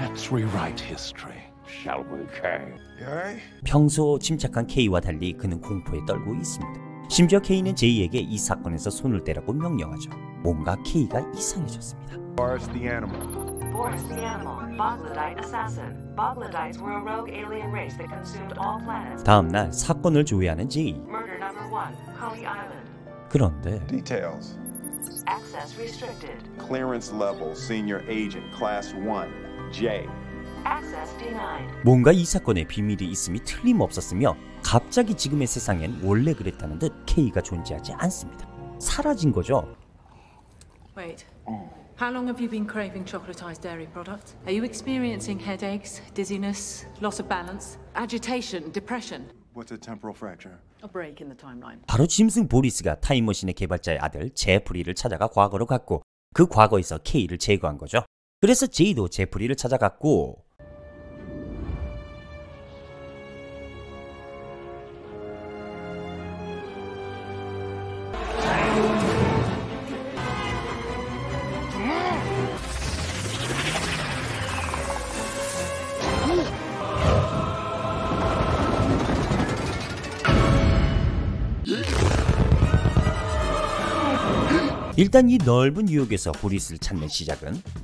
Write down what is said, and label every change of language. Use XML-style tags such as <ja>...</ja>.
<en>Rewrite history, shall we, K? Right?</en> <ko>평소 침착한 K와 달리 그는 공포에 떨고 있습니다. 심지어 K는 J에게 이 사건에서 손을 떼라고 명령하죠. 뭔가 K가 이상해졌습니다.</ko> <en>Boris the animal. Boris the animal, Bogladite assassin. Bogladites were a rogue alien race that consumed all planets.</en> <ko>다음 날 사건을 조회하는 J.</ko> <en>Murder number one, Coney Island.</en> <ko>그런데</ko> <en>details. Access restricted. Clearance level, senior agent, class one. J. Access denied.</en> <ko>뭔가 이 사건에 비밀이 있음이 틀림없었으며 갑자기 지금의 세상엔 원래 그랬다는 듯 K가 존재하지 않습니다. 사라진 거죠.</ko> <en>Wait. How long have you been craving chocolatized dairy products? Are you experiencing headaches, dizziness, loss of balance, agitation, depression? What's a temporal fracture? A break in the timeline.</en> <ko>바로 짐승 보리스가 타임머신의 개발자의 아들 제프리를 찾아가 과거로 갔고 그 과거에서 K를 제거한 거죠. 그래서 제이도 제프리를 찾아갔고 일단 이 넓은 유역에서 보리스를 찾는 시작은</ko>